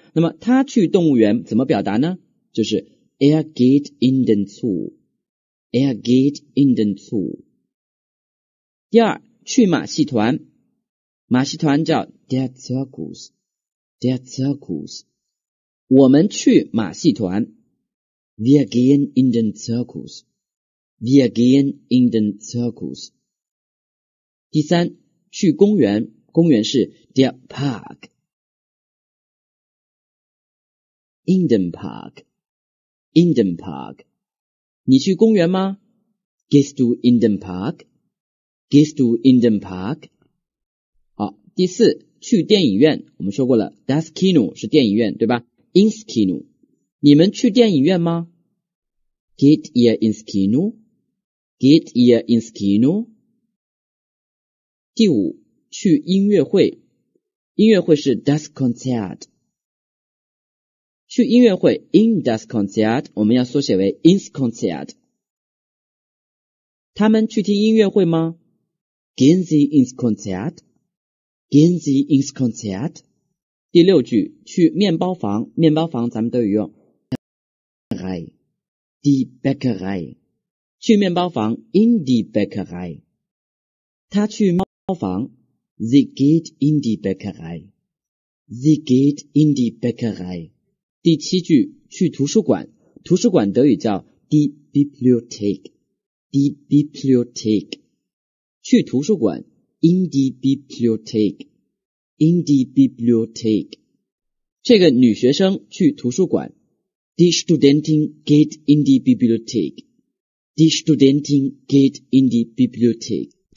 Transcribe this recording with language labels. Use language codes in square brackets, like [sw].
[zh] 那么他去动物园怎么表达呢？就是 [de] er geht in den Zoo， [zh] er geht in den Zoo。第二，去马戏团，马戏团叫 der Zirkus，Der Zirkus， 我们去马戏团。 [de] Wir gehen in den Zirkus， Wir gehen in den Zirkus。 [zh] 第三，去公园，公园是 [de] Der Park， In den Park， In den Park。 [zh] 你去公园吗？ [de] Gehst du in den Park， Gehst du in den Park。 [zh] 好，第四，去电影院，我们说过了 das Kino 是电影院，对吧？ [de] ins Kino， [zh] 你们去电影院吗？ [de] geht ihr ins Kino， geht ihr ins Kino。 [zh] 第五，去音乐会，音乐会是 das Konzert， 去音乐会 [de] in das Konzert， [zh] 我们要缩写为 [de] ins Konzert。 [zh] 他们去听音乐会吗？ [de] gehen sie ins Konzert，Gehen Sie ins Konzert。 [zh] 第六句，去面包房，面包房咱们都有用 Bäckerei， Die Bäckerei， 去面包房 [de] in die Bäckerei。 [zh] 他去面包房 [de] Sie geht in die Bäckerei， Sie geht in die Bäckerei。 [zh] 第七句，去图书馆，图书馆德语叫 [de] die Bibliothek, die Bibliothek, [zh] 去图书馆 [de] in die Bibliothek, in die Bibliothek, [zh] 这个女学生去图书馆 [de] die Studentin geht in die Bibliothek, die Studentin geht in die Bibliothek。